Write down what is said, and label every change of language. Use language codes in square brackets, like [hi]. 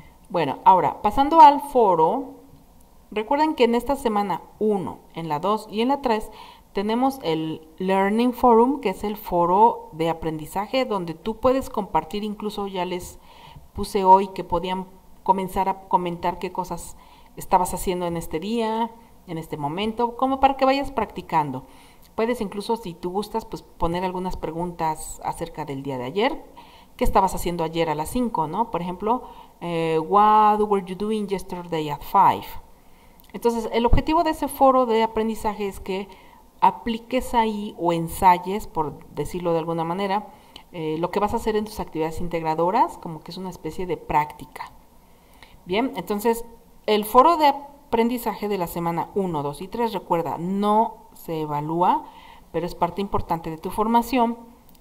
[es] Bueno, ahora, pasando al foro, recuerden que en esta semana 1, en la 2 y en la 3 tenemos el Learning Forum, que es el foro de aprendizaje donde tú puedes compartir, incluso ya les puse hoy que podían comenzar a comentar qué cosas estabas haciendo en este día, en este momento, como para que vayas practicando. Puedes incluso, si tú gustas, pues poner algunas preguntas acerca del día de ayer. ¿Qué estabas haciendo ayer a las 5, no? Por ejemplo, [en] what were you doing yesterday at 5? [es] Entonces, el objetivo de ese foro de aprendizaje es que apliques ahí o ensayes, por decirlo de alguna manera, lo que vas a hacer en tus actividades integradoras, como que es una especie de práctica. Bien, entonces, el foro de aprendizaje de la semana 1, 2 y 3, recuerda, no se evalúa, pero es parte importante de tu formación.